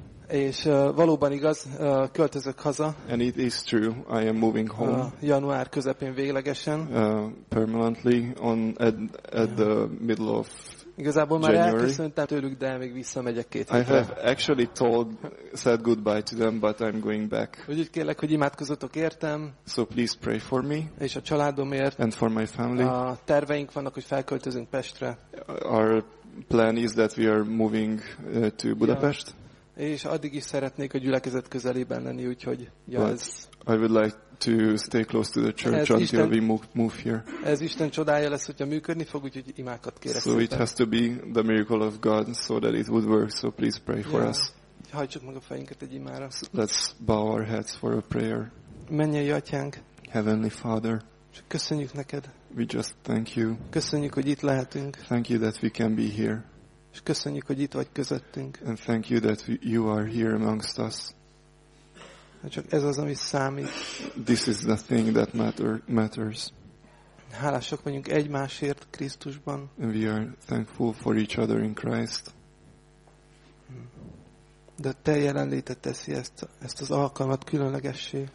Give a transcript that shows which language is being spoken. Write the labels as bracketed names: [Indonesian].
[Hungarian] És valóban igaz, költözök haza. [English] And it is true, I am moving home. [Hungarian] Január közepén véglegesen. [English] Permanently at the middle of [Hungarian] igazából már elköszöntem tőlük, de még visszamegyek két hétre. [English] I have actually said goodbye to them, but I'm going back. [Hungarian] Úgyhogy kérlek, hogy imádkozzatok értem. [English] So please pray for me. [Hungarian] És a családomért. [English] And for my family. [Hungarian] A terveink vannak, hogy felköltözünk Pestre. [English] Our plan is that we are moving to Budapest. [Hungarian] Ja. És addig is szeretnék a gyülekezet közelében lenni, úgyhogy ez. [English] I would like to stay close to the church [Hungarian] ez [English] until [Hungarian] Isten, [English] we move here. [Hungarian] Ez Isten csodája lesz, hogyha működni fog, úgyhogy imákat kérek. [English] So it has to be the miracle of God so that it would work, so please pray for us. [Hungarian] Hajtsuk meg a fejünket egy imára. [English] Let's bow our heads for a prayer. [Hungarian] Mennyei Atyánk, [English] Heavenly Father, [Hungarian] köszönjük neked. [English] We just thank you. [Hungarian] Köszönjük, hogy itt lehetünk. [English] Thank you that we can be here. [Hungarian] És köszönjük, hogy itt vagy közöttünk. [English] And thank you that you are here amongst us. [Hungarian] Csak ez az, ami számít. [English] This is the thing that matters. [Hungarian] Hálásak vagyunk egymásért Krisztusban. [English] And we are thankful for each other in Christ. [Hungarian] De te jelenléted teszi ezt az alkalmat különlegessé.